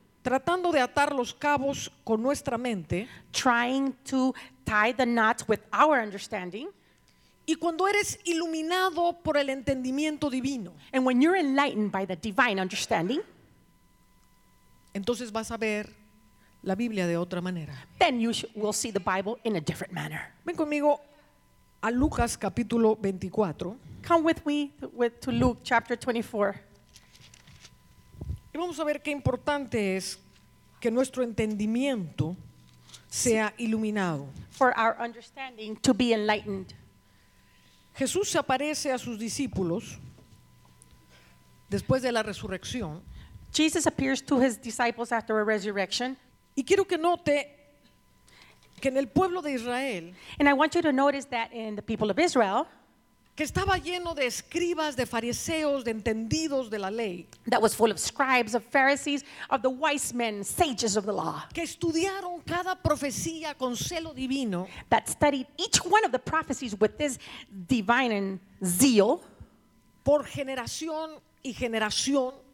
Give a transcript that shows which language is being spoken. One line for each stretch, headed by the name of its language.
Spanish: tratando de atar los cabos con nuestra mente,
English: trying to tie the knots with our understanding,
Spanish: y cuando eres iluminado por el entendimiento divino,
English: and when you're enlightened by the divine understanding,
Spanish: entonces vas a ver la Biblia de otra manera.
English: Then you will see the Bible in a different manner.
Spanish: Ven conmigo a Lucas capítulo 24.
English: Come with me to Luke chapter 24.
Spanish: Y vamos a ver qué importante es que nuestro entendimiento sea iluminado.
English: For our understanding to be enlightened.
Spanish: Jesús se aparece a sus discípulos después de la resurrección.
English: Jesus appears to his disciples after a resurrection.
Spanish: Y quiero que note que en el pueblo de Israel,
English: and I want you to notice that in the people of Israel,
Spanish: que estaba lleno de escribas, de fariseos, de entendidos de la ley,
English: that was full of scribes, of Pharisees, of the wise men, sages of the law,
Spanish: que estudiaron cada profecía con celo divino,
English: that studied each one of the prophecies with this divine zeal,
Spanish: por generación y generación,